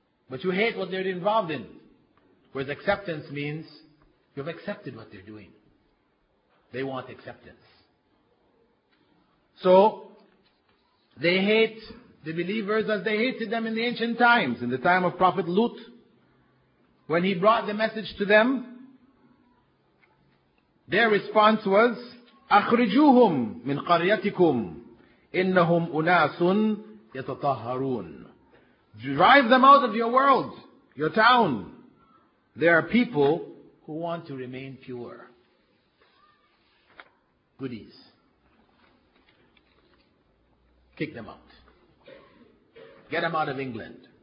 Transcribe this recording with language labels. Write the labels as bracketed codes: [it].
[en] But you hate what they're involved in. Whereas acceptance means you've accepted what they're doing. They want acceptance. So, they hate the believers as they hated them in the ancient times, in the time of Prophet Lut, when he brought the message to them. Their response was, [ar] أخرجوهم من قريتكم إنهم أناس يتطهرون. [en] Drive them out of your world, your town. There are people who want to remain pure. Goodies. Kick them out. Get them out of England.